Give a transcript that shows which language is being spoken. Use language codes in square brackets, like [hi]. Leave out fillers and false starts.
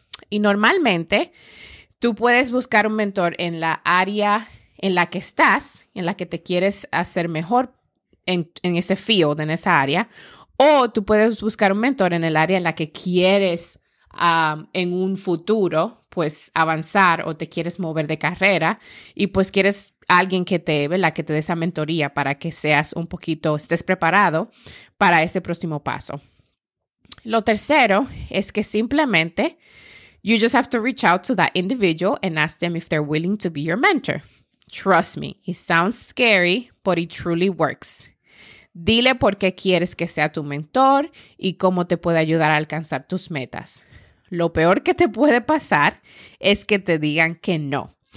[es] Y normalmente, tú puedes buscar un mentor en la área en la que estás, en la que te quieres hacer mejor en ese field, en esa área, o tú puedes buscar un mentor en el área en la que quieres en un futuro, pues, avanzar o te quieres mover de carrera y, pues, quieres alguien que te, ¿verdad?, que te dé esa mentoría para que seas un poquito, estés preparado para ese próximo paso. Lo tercero es que simplemente [en] you just have to reach out to that individual and ask them if they're willing to be your mentor. Trust me, it sounds scary, but it truly works. [es] Dile por qué quieres que sea tu mentor y cómo te puede ayudar a alcanzar tus metas. Lo peor que te puede pasar es que te digan que no.